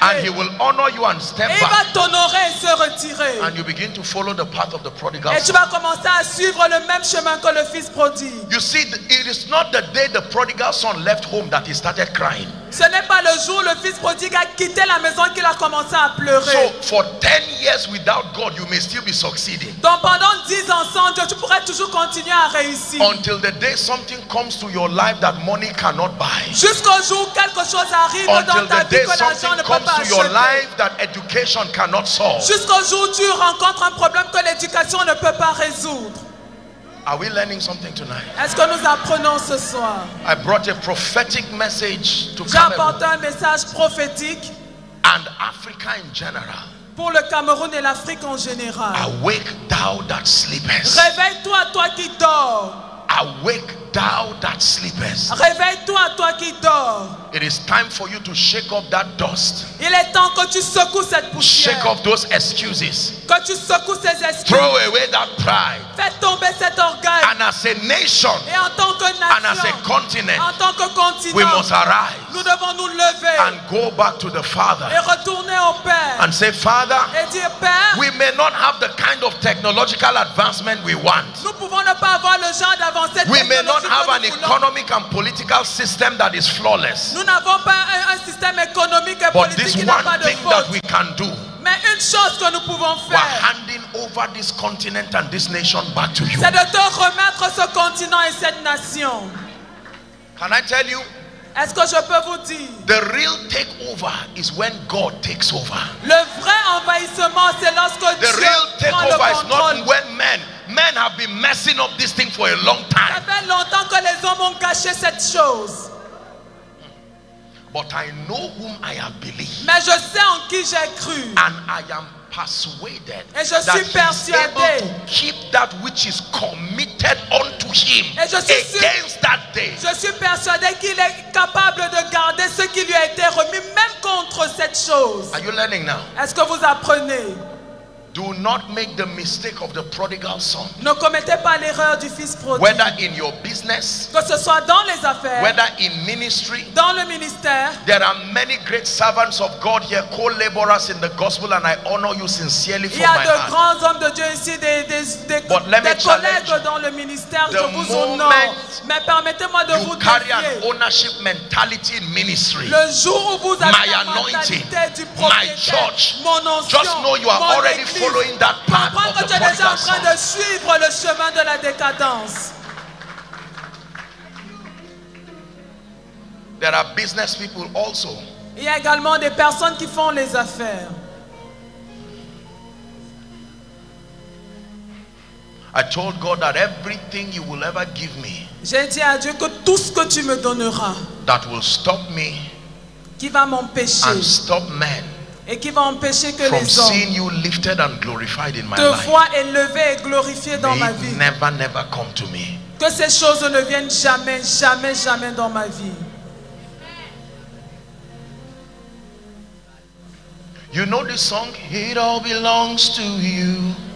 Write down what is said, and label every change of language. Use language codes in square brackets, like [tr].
[en] And he will honor you and step back. [fr] Et il va t'honorer et se retirer. [en] And you begin to follow the path of the prodigal son. [fr] Et tu vas commencer à suivre le même chemin que le fils prodigue. [en] You see, it is not the day the prodigal son left home that he started crying. [fr] Ce n'est pas le jour où le fils prodigue a quitté la maison qu'il a commencé à pleurer. [en] So for 10 years without God, you may still be succeeding. [fr] Donc pendant 10 ans sans Dieu, tu pourrais toujours continuer à réussir. [en] Until the day something comes to your life that money cannot buy. [fr] Jusqu'au jour où quelque chose arrive [en] until [fr] dans ta vie que l'argent ne peut pas acheter. [en] Comes to your life that education cannot solve. [fr] Jusqu'au jour où tu rencontres un problème que l'éducation ne peut pas résoudre. [en] Are we learning something tonight? [fr] Est-ce que nous apprenons ce soir? [en] I brought a prophetic message to [fr] Cameroon. J'apporte un message prophétique. [en] And Africa in general. [fr] Pour le Cameroun et l'Afrique en général. [en] Awake thou that sleepest. [fr] Réveille-toi, toi qui dors. [en] Awake thou that sleepest. [fr] Réveille-toi, toi qui dors. [en] It is time for you to shake off that dust. [fr] Il est temps que tu secoues cette poussière. [en] Shake off those excuses. [fr] Que tu secoues ces excuses. [en] Throw away that pride. [fr] Fais tomber cet orgueil. [en] And as a nation, [fr] et en tant que nation, [en] and as a continent, [fr] en tant que continent, [en] we must arise. [fr] Nous devons nous lever. [en] And go back to the Father. [fr] Et retourner au Père. [en] And say, Father, [fr] et dire, Père, [en] we may not have the kind of technological advancement we want. [fr] Nous pouvons ne pas avoir le genre d'avancée technologique. [en] We may not have an economic and political system that is flawless. [fr] Nous n'avons pas un système économique et politique qui n'a pas de faute. Mais une chose que nous pouvons faire, [en] we're handing over this continent and this nation back to you. [fr] C'est de te remettre ce continent et cette nation. [en] Can I tell you? [fr] Est-ce que je peux vous dire? [en] The real takeover is when God takes over. [fr] Le vrai envahissement, c'est lorsque [en] the [fr] Dieu [en] real takeover [fr] prend le contrôle. [en] Is not when men have been messing up this thing for a long time. [fr] Ça fait longtemps que les hommes ont gâché cette chose. [en] But I know whom I have believed. [fr] Mais je sais en qui j'ai cru. [en] And I am persuaded. [fr] Et je suis persuadé. [en] To keep that which is committed unto him. [fr] Et je suis [en] that day. [fr] Je suis persuadé qu'il est capable de garder ce qui lui a été remis même contre cette chose. [en] Are you learning now? [fr] Est-ce que vous apprenez? [en] Do not make the mistake of the prodigal son. [fr] Ne commettez pas l'erreur du fils prodigue. [en] Whether in your business, [fr] que ce soit dans les affaires, [en] whether in ministry, [fr] dans le ministère, [en] there are many great servants of God here, co-laborers in the gospel, and I honor you sincerely for my heart. [fr] Il y a de grands hommes de Dieu ici, des collègues dans le ministère. Je vous honore. Mais permettez-moi de vous [en] carry an ownership mentality in ministry. [fr] Le jour où vous avez la mentalité du propriétaire, [en] my church, [fr] mon ancien, [en] just know you are already following that path of the prodigal son. [fr] En train de suivre le chemin de la décadence. [en] There are business people also. [fr] Il y a également des personnes qui font les affaires. [en] I told God that everything you will ever give me, [fr] j'ai dit à Dieu que tout ce que tu me donneras, [en] that will stop me, [fr] qui va m'empêcher, [en] and stop men, [fr] et qui va empêcher que [en] from [fr] les hommes [en] seeing you lifted and glorified in my [fr] te voient élevé et glorifié dans ma vie. [en] Never come to me. [fr] Que ces choses ne viennent jamais, jamais, jamais dans ma vie. [en] You know this song? It all belongs to you.